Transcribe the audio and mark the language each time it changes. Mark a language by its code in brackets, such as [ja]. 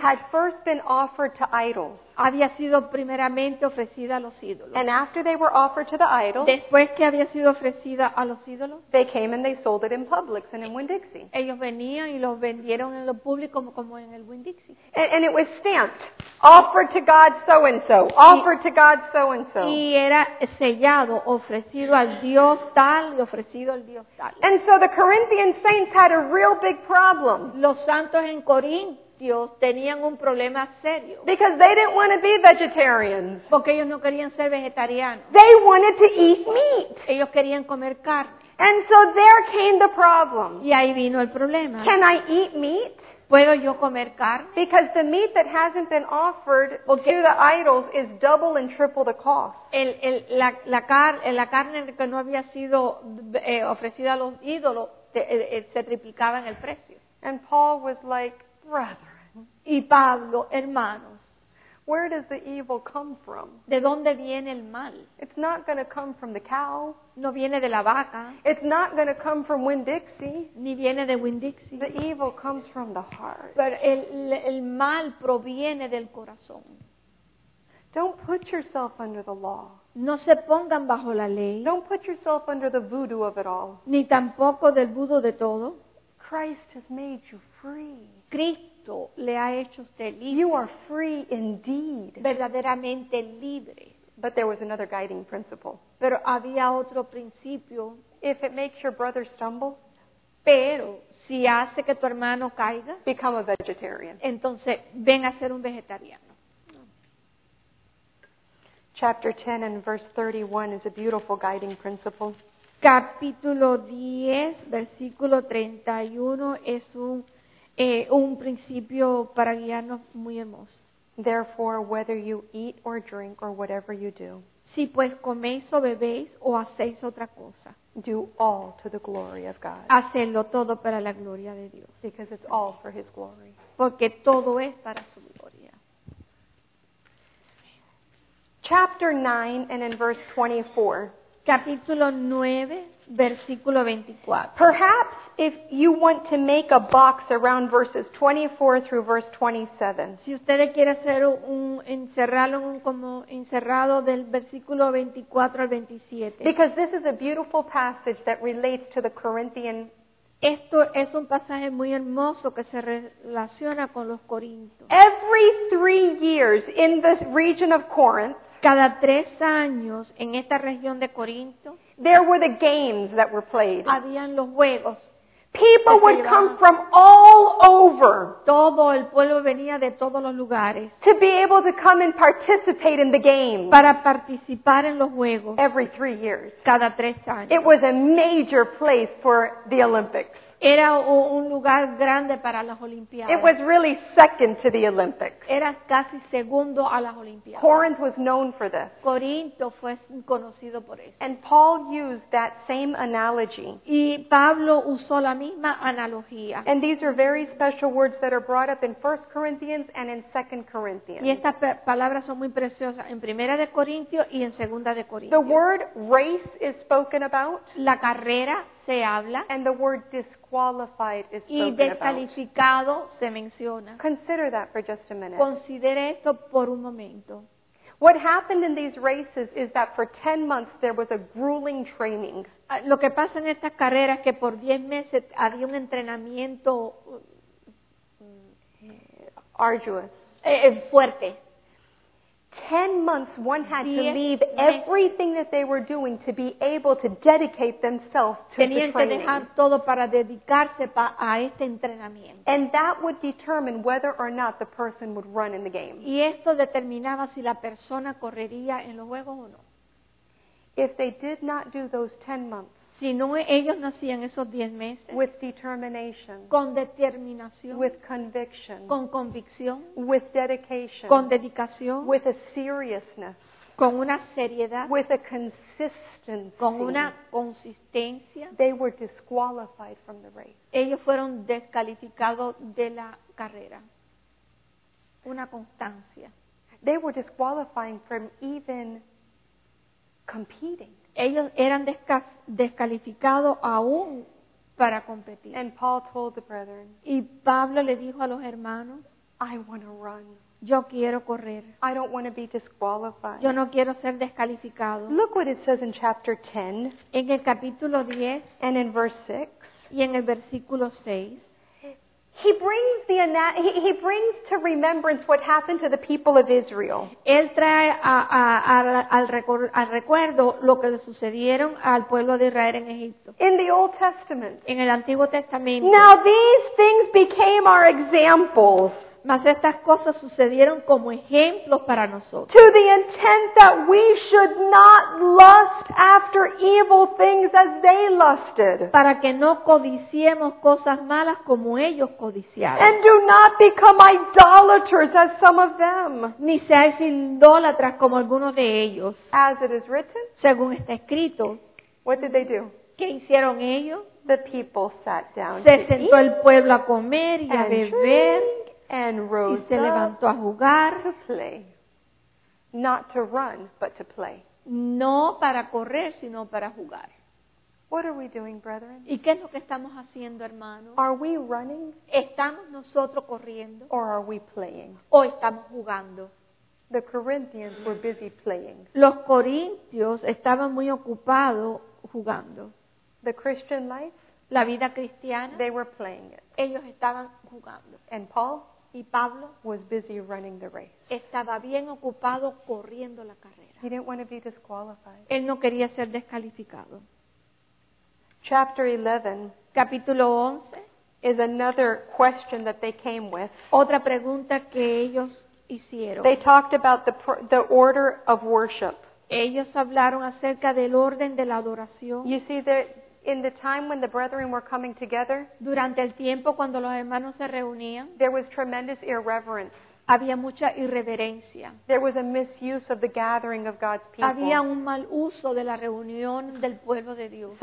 [en] had first been offered to idols. [es] Había sido primeramente ofrecida a los ídolos. [en] And after they were offered to the idols, [es] después que había sido ofrecida a los ídolos, [en] they came and they sold it in Publix and in Winn-Dixie. [es] Ellos venían y los vendieron en lo público como en el Winn-Dixie. [en] And it was stamped, offered to God so and so, offered to God so and so. [es] Y era sellado, ofrecido al Dios tal y ofrecido al Dios tal. [en] And so the Corinthian saints had a real big problem. [es] Los santos en Corintios tenían un problema serio. [en] Because they didn't want to be vegetarians. [es] Porque ellos no querían ser vegetarianos. [en] They wanted to eat meat. [es] Ellos querían comer carne. [en] And so there came the problem. [es] Y ahí vino el problema. [en] Can I eat meat? [es] ¿Puedo yo comer carne? [en] Because the meat that hasn't been offered to the idols is double and triple the cost. [es] La carne que no había sido ofrecida a los ídolos se triplicaba en el precio. [en] And Paul was like, brethren. [es] Y Pablo, hermanos. [en] Where does the evil come from? [es] ¿De dónde viene el mal? [en] It's not going to come from the cow. [es] No viene de la vaca. [en] It's not going to come from Winn-Dixie. [es] Ni viene de Winn-Dixie. [en] The evil comes from the heart. [es] Pero el mal proviene del corazón. [en] Don't put yourself under the law. [es] No se pongan bajo la ley. [en] Don't put yourself under the voodoo of it all. [es] Ni tampoco del vudú de todo. [en] Christ has made you free. [es] Cristo le ha hecho usted libre. [en] You are free indeed. [es] Verdaderamente libre. [en] But there was another guiding principle. [es] Pero había otro principio. [en] If it makes your brother stumble, [es] pero si hace que tu hermano caiga, [en] become a vegetarian. [es] Entonces, ven a ser un vegetariano. [en] Chapter 10 and verse 31 is a beautiful guiding principle. [es] Capítulo 10, versículo 31 es un principio para guiarnos muy hermoso. [en] Therefore, whether you eat or drink or whatever you do, [es] si pues coméis o bebéis o hacéis otra cosa, [en] do all to the glory of God. [es] Hacedlo todo para la gloria de Dios. [en] Because it's all for His glory. [es] Porque todo es para su gloria. [en] Chapter 9 and in verse 24. [es] Capítulo 9, versículo 24. [en] Perhaps if you want to make a box around verses 24 through verse 27. [es] Si ustedes quieren hacer un encerrado, como encerrado del versículo 24 al 27. [en] Because this is a beautiful passage that relates to the Corinthian. [es] Esto es un pasaje muy hermoso que se relaciona con los corintios. [en] Every 3 years in this region of Corinth, [es] cada 3 años en esta región de Corinto, [en] there were the games that were played. [es] Habían los juegos. [en] People would come from all over. [es] Todo el pueblo venía de todos los lugares. [en] To be able to come and participate in the game. [es] Para participar en los juegos. [en] Every 3 years. [es] Cada tres años. [en] It was a major place for the Olympics. [es] Era un lugar grande para las Olimpiadas. [en] It was really second to the Olympics. [es] Era casi segundo a las Olimpiadas. [en] Corinth was known for this. [es] Corinto fue conocido por eso. [en] And Paul used that same analogy. [es] Y Pablo usó la misma analogía. [en] And these are very special words that are brought up in 1 Corinthians and in 2 Corinthians. [es] Y estas palabras son muy preciosas en Primera de Corintios y en Segunda de Corintios. [en] The word race is spoken about. [es] La carrera se habla, [en] and the word disqualified is spoken [es] about. Y descalificado se menciona. [en] Consider that for just a minute. [es] Considere esto por un momento. [en] What happened in these races is that for 10 months there was a grueling training. [es] Lo que pasa en estas carreras es que por 10 meses había un entrenamiento [en] arduous. [es] Fuerte. [en] 10 months one had to leave everything that they were doing to be able to dedicate themselves to the training. [es] Tenían que dejar todo para dedicarse a este entrenamiento. [en] And that would determine whether or not the person would run in the game. [es] Y esto determinaba si la persona correría en los juegos o no. [en] If they did not do those 10 months, [es] si no ellos nacían esos 10 meses, [en] with determination, [es] con determinación, [en] with conviction, [es] con convicción, [en] with dedication, [es] con dedicación, [en] with a seriousness, [es] con una seriedad, [en] with a consistency, [es] con una consistencia, [en] they were disqualified from the race. [es] Ellos fueron descalificados de la carrera. Una constancia. [en] They were disqualified from even competing. [es] Ellos eran descalificados aún para competir. [en] And Paul told the brethren, [es] y Pablo le dijo a los hermanos, [en] I want to run. [es] Yo quiero correr. [en] I don't want to be disqualified. [es] Yo no quiero ser descalificado. [en] Look what it says in chapter 10. [es] En el capítulo 10. [en] And in verse 6. [es] Y en el versículo 6. [en] He brings to remembrance what happened to the people of Israel. [es] Él trae al recuerdo lo que le sucedieron al pueblo de Israel en Egipto. [en] In the Old Testament. [es] En el Antiguo Testamento. [en] Now these things became our examples. [es] Mas estas cosas sucedieron como ejemplos para nosotros. [en] To the intent that we should not lust after evil things as they lusted. [es] Para que no codiciemos cosas malas como ellos codiciaron. [en] And do not become idolaters as some of them. [es] Ni seáis idólatras como algunos de ellos. [en] As it is written. [es] Según está escrito. [en] What did they do? [es] ¿Qué hicieron ellos? [en] The people sat down. [es] Se sentó el pueblo a comer y a beber. [en] And rose [es] y se levantó a jugar, [en] to play. Not to run, but to play. [es] No para correr, sino para jugar. [en] What are we doing, brethren? [es] ¿Y qué es lo que estamos haciendo, hermanos? [en] Are we running? [es] ¿Estamos nosotros corriendo? [en] Or are we playing? [es] ¿O estamos jugando? [en] The Corinthians were busy playing. [es] Los corintios estaban muy ocupados jugando. [en] The Christian life. [es] La vida cristiana. [en] They were playing it. [es] Ellos estaban jugando. [en] And Paul. [es] Y Pablo. [en] Was busy running the race. [es] Estaba bien ocupado corriendo la carrera. [en] He didn't want to be disqualified. [es] Él no quería ser descalificado. [en] Chapter 11. [es] Capítulo 11. [en] Is another question that they came with. [es] Otra pregunta que ellos hicieron. [en] They talked about the order of worship. [es] Ellos hablaron acerca del orden de la adoración. [en] You see that. In the time when the brethren were coming together, [es] durante el tiempo cuando los hermanos se reunían, [en] there was tremendous irreverence. [es] Había mucha irreverencia. [en] There was a misuse of the gathering of God's people. [es] Había un mal uso de la reunión del pueblo de Dios.